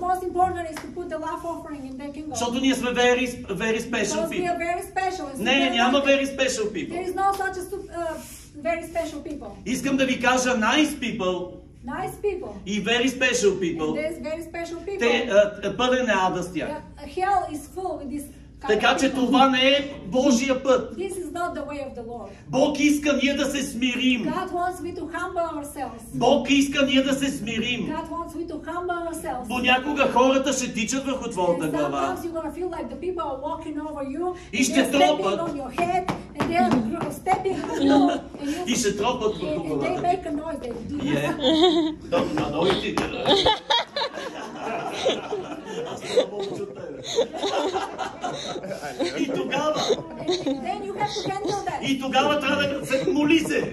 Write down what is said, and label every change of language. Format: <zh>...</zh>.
<en>The most important is to put the lav offering and they can go.</en> <bg>Защото ние сме</bg> <en>very, very special people. Because we are very special.</en> <bg>Не, няма</bg> <en>very special people. There is no such a very special people.</en> <bg>Искам да ви кажа</bg> <en>nice people. Nice people.</en> <bg>И</bg> <en>very special people. There is very special people.</en> <bg>Те пълен е ада с тях.</bg> <en>Hell is full with this.</en> <bg>Така че това не е Божия път.</bg> <en>This is not the way of the Lord.</en> <bg>Бог иска ние да се смирим.</bg> <en>God wants we to humble ourselves.</en> <bg>Бог иска ние да се смирим.</bg> <en>God wants we to humble ourselves.</en> <bg>Понякога хората ще тичат върху твоята глава.</bg> <en>Sometimes you're gonna feel like the people are walking over you.</en> <bg>И ще тропат.</bg> <en>On your head, and they are stepping on you.</en> <bg>И ще тропат върху главата.</bg> <en>And they make a noise. They do. Yeah.</en> <bg>Да, да, да, да. Аз съм много чутен. И тогава.</bg> <en>And then you have to handle that.</en> <bg>И тогава трябва да се моли се.</bg>